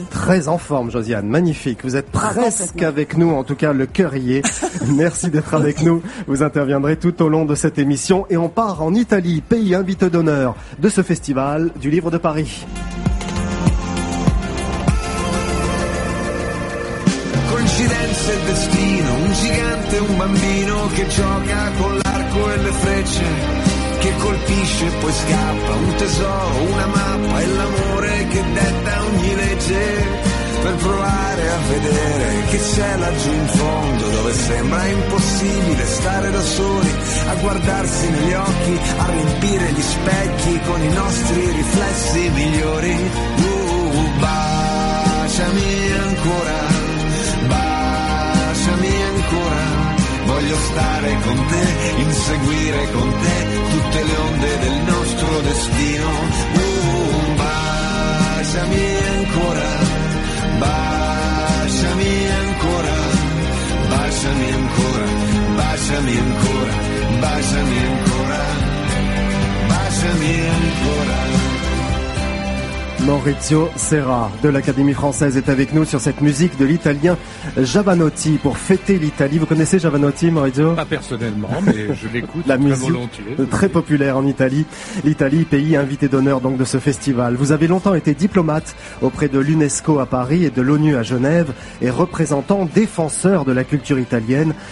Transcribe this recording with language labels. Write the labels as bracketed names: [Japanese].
[French] Très en forme Josiane, magnifique. Vous êtes presque avec nous, en tout cas le cœur y est. Merci d'être avec nous. Vous interviendrez tout au long de cette émission. Et on part en Italie, pays invité d'honneur de ce festival du Livre de Paris. [Italian] Coincidenza e destino, un gigante, un bambino che gioca con l'arco e le frecce, che colpisce e poi scappa, un tesoro, una mappa e l'amore che detta ogni legge, per provare a vedere che c'è laggiù in fondo, dove sembra impossibile stare da soli, a guardarsi negli occhi, a riempire gli specchi con i nostri riflessi migliori. Baciami ancora, baciami ancora, voglio stare con te, inseguire con te tutte le onde del nostro destino. Baciami ancora, baciami ancora, baciami ancora, baciami ancora, baciami ancora, baciami ancora, baciami ancora. [French] Maurizio Serra de l'Académie française est avec nous sur cette musique de l'italien Jovanotti pour fêter l'Italie. Vous connaissez Jovanotti, Maurizio ? Pas personnellement, mais je l'écoute la très volontiers. La musique très populaire en Italie. L'Italie, pays invité d'honneur donc de ce festival. Vous avez longtemps été diplomate auprès de l'UNESCO à Paris et de l'ONU à Genève et représentant défenseur de la culture italienne.